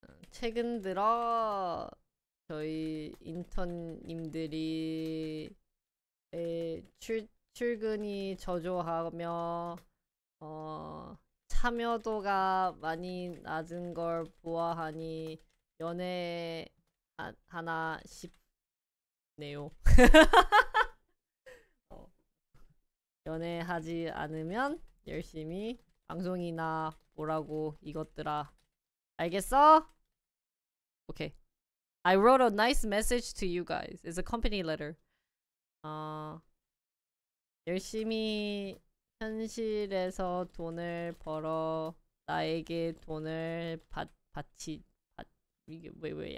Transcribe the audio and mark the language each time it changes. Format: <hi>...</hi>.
<ko>최근 들어 저희 인턴님들이 출근이 저조하며 참여도가 많이 낮은 걸 보아하니 연애 하나 싶네요. 연애하지 않으면 열심히 방송이나 보라고 이것들아. 알겠어? Okay.</ko> <en>I wrote a nice message to you guys. It's a company letter.</en> <ko>열심히 현실에서 돈을 벌어 나에게 돈을 Wait.</ko>